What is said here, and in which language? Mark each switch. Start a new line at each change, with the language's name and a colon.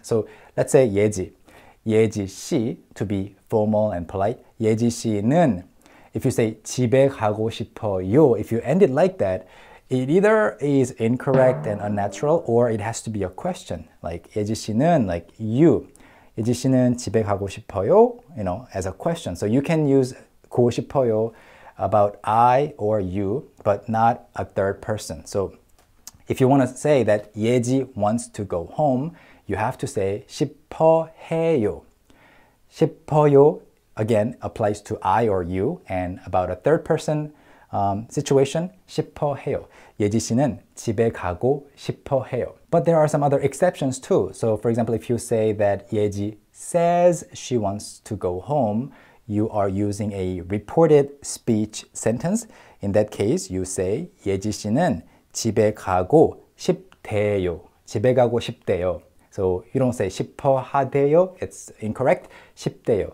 English: So let's say Yeji. Yeji 씨, to be formal and polite. Yeji 씨는, if you say
Korean: 집에 가고 싶어요,
English: if you end it like that, it either is incorrect and unnatural or it has to be a question. Like 예지 씨는, like you.
Korean: 예지 씨는 집에 가고 싶어요?
English: You know, as a question. So you can use 고 싶어요 about I or you, but not a third person. So if you want to say that 예지 wants to go home, you have to say 싶어해요. 싶어요, again, applies to I or you, and about a third person situation, 싶어해요.
Korean: 예지 씨는 집에 가고 싶어해요.
English: But there are some other exceptions too. So for example, if you say that 예지 says she wants to go home, you are using a reported speech sentence. In that case, you say
Korean: 예지 씨는 집에 가고 싶대요. 집에 가고 싶대요.
English: So you don't say
Korean: 싶어하대요.
English: It's incorrect.
Korean: 싶대요.